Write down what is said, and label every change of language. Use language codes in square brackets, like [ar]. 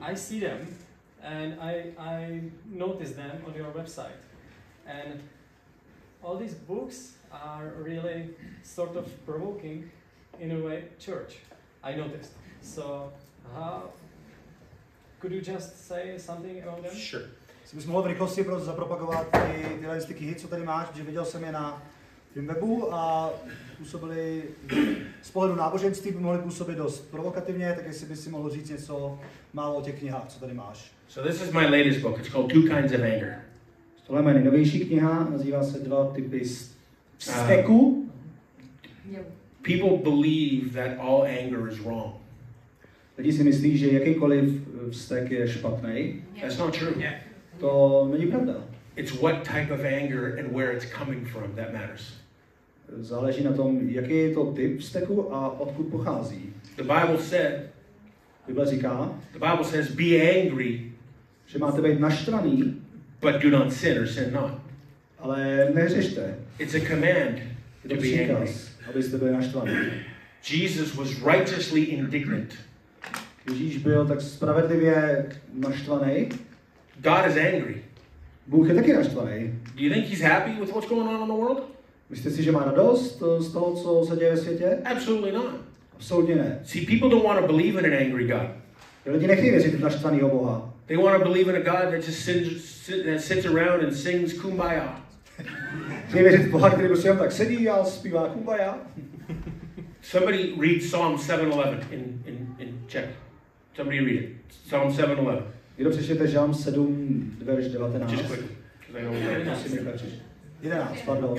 [en] I see them and I notice them on your website, and all these books are really sort of provoking in a way church, I noticed. So how could you just say something about them? Sure. [cs] Si bys mohl v rychlosti zapropagovat tyhle ty knihy, co tady máš, protože viděl jsem je na tým webu a působili z pohledu náboženství, by mohli působit dost provokativně, tak jestli bys si mohl říct něco málo o těch knihách, co tady máš. [en] So this is my latest book, it's called Two Kinds of Anger. [cs] Tohle je moje nejnovější kniha, nazývá se Dva typy steku. [en] People believe that all anger is wrong. [cs] Lidi si myslí, že jakýkoliv vztek je špatný. [en] That's not true. Yeah. [cs] To není pravda. [en] It's what type of anger and where it's coming from that matters. [cs] Záleží na tom, jaký je to typ vzteku a odkud pochází. [en] The Bible said. [cs] Bible říká. [en] The Bible says, be angry. [cs] Že máte být naštvaný. [en] But do not sin or sin not. [cs] Ale nehřešte. [en] It's a command to be angry. [cs] Abyste byli naštvaný. [en] Jesus was righteously indignant. [cs] Ježíš byl tak spravedlivě naštvaný. [en] God is angry. [cs] Bůh je taky naštvaný. [en] Do you think he's happy with what's going on in the world? [cs] Myslíte si, že má radost z toho, co se děje ve světě? [en] Absolutely not. [cs] Absolutně ne. [en] See, people don't want to believe in an angry God. [cs] Lidi nechtějí věřit v naštvanýho Boha. [en] They want to believe in a God that just sits around and sings kumbaya. [cs] Chtějí věřit v Boha, který prostě tak sedí a zpívá kumbaya. [en] Somebody read Psalm 7:11 in Czech. Somebody read it. Psalm 7:11. [cs] Jdu přečtěte Žalm 7, verš 19. [en] Just quickly. 11, pardon.